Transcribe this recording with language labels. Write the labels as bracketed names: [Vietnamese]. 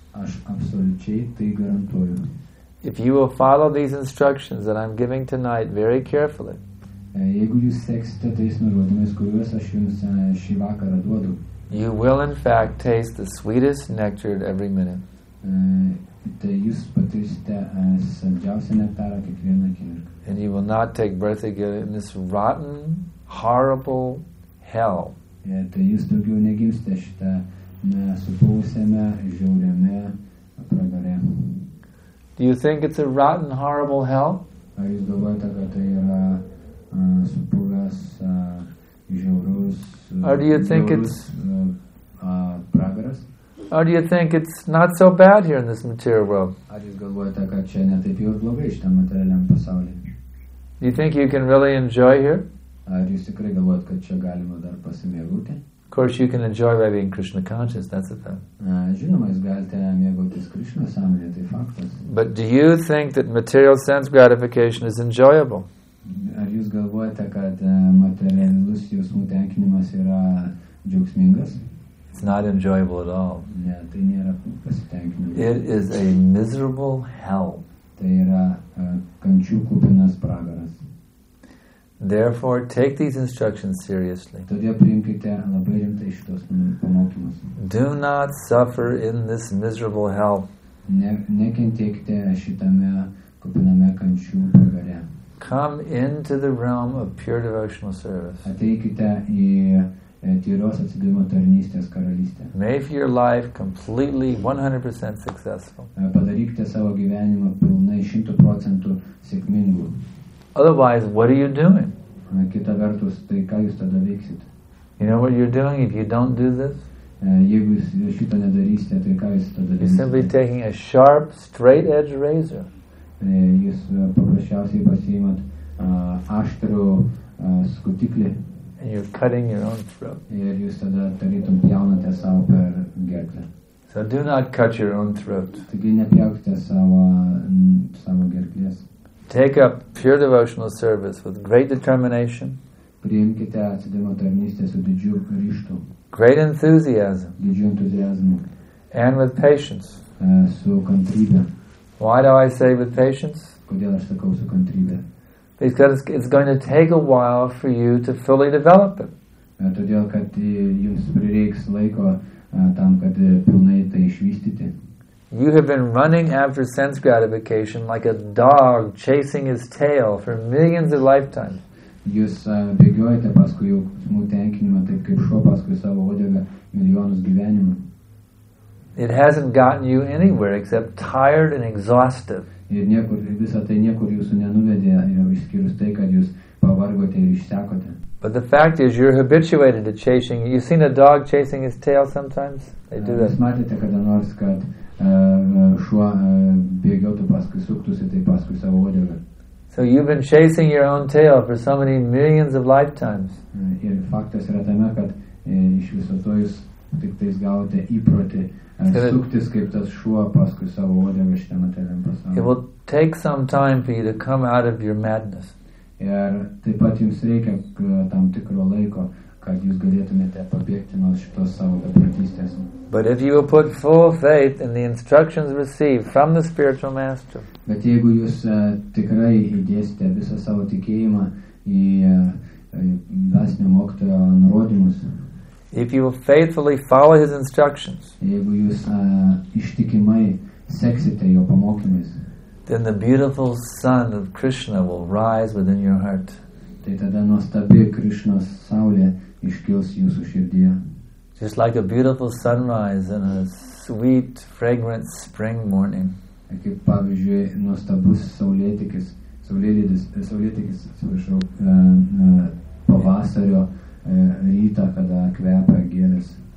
[Lithuanian] Aš absoliučiai tai garantuoju. [English] If you will follow these instructions that I'm giving tonight very carefully, [Lithuanian] jeigu jūs seksite tais nurodymais, kuriuos aš jums šį vakarą duodu, [English] you will in fact taste the sweetest nectar every minute. [Lithuanian] Tai jūs patirsite saldžiausią nektarą kiekvieną akimirką. [English] And you will not take birth again in this rotten, horrible hell. [Lithuanian] Tai jūs daugiau negimsite šitą supausiame, žiauriame pragare. [English] Do you think it's a rotten, horrible hell? [Lithuanian] Ar jūs galvojate, kad tai yra supūras, žiaurus, [English] or do you think [Lithuanian] žiaurus, pragaras? [English] Or do you think it's not so bad here in this material world? [Lithuanian] Ar jūs galvojate, kad čia netaip jau blogai šitą materialiam pasaulyje? [English] Do you think you can really enjoy here? [Lithuanian] Ar jūs tikrai galvojate, kad čia galima dar pasimėgauti? [English] Of course you can enjoy by being Krishna conscious, that's a fact. [Lithuanian] Žinoma, jūs galite mėgautis Krishna sąmonė, tai faktas. [English] But do you think that material sense gratification is enjoyable? [Lithuanian] Ar jūs galvojate, kad materialus jausmų tenkinimas yra džiaugsmingas? [English] It's not enjoyable at all. [Lithuanian] Ne, tai nėra pasitenkinimas. [English] It is a miserable hell. [Lithuanian] Tai yra kančių kupinas pragaras. [English] Therefore, take these instructions seriously. [Lithuanian] Todėl priimkite labai rimtai šitos pamokymus. [English] Do not suffer in this miserable hell. [Lithuanian] Nekentėkite šitame kupiname kančių pragare. [English] Come into the realm of pure devotional service. [Lithuanian] Ateikite į tyros atsidavimo tarnystės karalystę. [English] Make your life completely 100% successful. [Lithuanian] Padarykite savo gyvenimą pilnai 100% sėkmingu. [English] Otherwise, what are you doing? [Lithuanian] Kita vertus, tai ką jūs tada veiksite? [English] You know what you're doing if you don't do this? [Lithuanian] Jeigu jūs šito nedarysite, tai ką jūs tada veiksite? [English] You're simply taking a sharp, straight-edged razor. [Lithuanian] Jūs paprasčiausiai pasiimat aštrų skutiklį. [English] And you're cutting your own throat. [Lithuanian] Ir jūs tada tarytum pjaunate savo per gerklę. [English] So do not cut your own throat. [Lithuanian] Taigi nepjaukite savo gerklės. [English] Take up pure devotional service with great determination, [Lithuanian] priimkite atsidavimo tarnystę su didžiu ryžtu, [English] great enthusiasm, [Lithuanian] didžiu entuziazmu, [English] and with patience, [Lithuanian] su kantrybe. [English] Why do I say with patience? [Lithuanian] Kodėl aš sakau su kantrybe? [English] it's going to take a while for you to fully develop it. [Lithuanian] Todėl, kad jums prireiks laiko tam, kad pilnai tai išvystyti. [English] You have been running after sense gratification like a dog chasing his tail for millions of lifetimes. [Lithuanian] Jūs bėgiojate paskui jausmų tenkinimą, taip kaip šuo paskui savo uodegą milijonus gyvenimų. [English] It hasn't gotten you anywhere except tired and exhausted. [Lithuanian] Ir niekur, visa tai niekur jūsų nenuvedė, išskyrus tai, kad jūs pavargote ir išsekote. [English] But the fact is, you're habituated to chasing. You've seen a dog chasing his tail sometimes? They do that. [Lithuanian] Jūs matėte kada nors, kad šuo bėgiotų paskui suktųsi, tai paskui savo uodegą. [English] So you've been chasing your own tail for so many millions of lifetimes. [Lithuanian] Ir faktas yra tame, kad iš viso to jūs tik tais gavote įprotį suktis kaip tas šuo paskui savo uodegą šitam materialiam pasaulyje. [English] It will take some time for you to come out of your madness. [Lithuanian] Ir taip pat jums reikia tam tikro laiko, kad jūs galėtumėte pabėgti nuo šitos savo beprotystės. [English] But if you will put full faith in the instructions received from the spiritual master. [Lithuanian] Bet jeigu jūs tikrai įdėsite visą savo tikėjimą į dvasinio mokytojo nurodymus. [English] If you will faithfully follow his instructions. [Lithuanian] Jeigu jūs ištikimai seksite jo pamokymus. [English] Then the beautiful sun of Krishna will rise within your heart. [Lithuanian] Tai tada nuostabi Krishnos saulė iškils jūsų širdyje. [English] Just like a beautiful sunrise in a sweet, fragrant spring morning. [Lithuanian] Kaip pavyzdžiui, nuostabus saulėtikis, atsiprašau, pavasario rytą, kada kvepia gėlės.